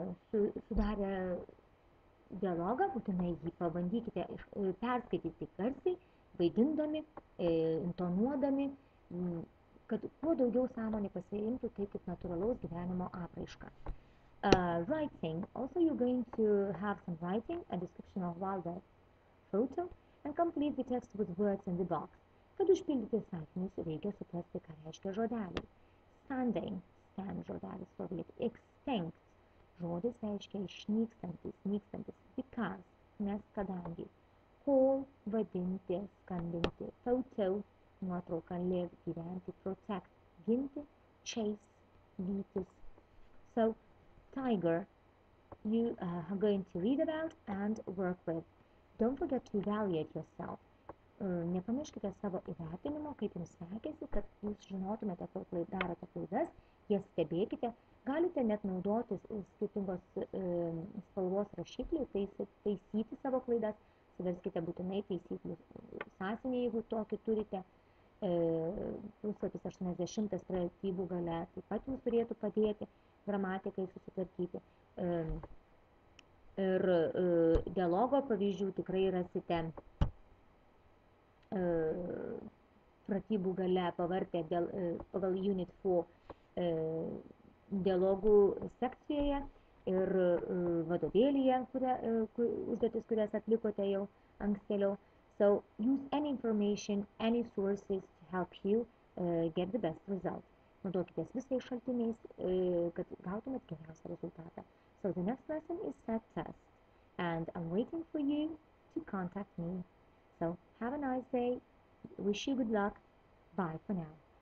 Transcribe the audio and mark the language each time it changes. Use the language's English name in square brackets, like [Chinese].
[Lithuanian] Sudarė dialogą, būtinai jį pabandykite perskaityti garsiai, vaidindami, intonuodami, kad kuo daugiau sąmonė pasiimtų tai kaip natūralaus gyvenimo apraišką. [English] Writing. Also, you're going to have some writing, a description of Wilder's photo, and complete the text with words in the box. [Lithuanian] Kad užpildyti sakinius, reikia suprasti, ką reiškia žodelį. [English] Standing. Stand [Lithuanian] žodelis, stovėti. [English] Extinct. [Lithuanian] Žodis reiškia išnykstantis, nykstantis, because, nes kadangi, call, vadinti, skambinti, photo, nuotrauką, live, gyventi, protect, ginti, chase, vytis. [English] So, tiger, you are going to read about and work with. Don't forget to evaluate yourself. [Lithuanian] Nepamirškite savo įvertinimo, kaip jums sekėsi, kad jūs žinotumėte, kur darote klaidas, jas stebėkite. Galite net naudotis skirtingos spalvos rašiklių, taisyti savo klaidas, suverskite būtinai taisyklių sąsinį, jeigu tokį turite. Puslapis 80 pratybų gale taip pat jums turėtų padėti gramatikai susitvarkyti. Ir dialogo pavyzdžių tikrai rasite pratybų gale pavartę pagal Unit 4 dialogų sekcijoje ir vadovėlyje, užduotis, kurias atlikote jau ankstėliau. [English] So, use any information, any sources to help you get the best result. [Lithuanian] Naudokitės visais šaltiniais, kad gautumėt geriausią rezultatą. [English] So, the next lesson is set test. And I'm waiting for you to contact me. So, have a nice day. Wish you good luck. Bye for now.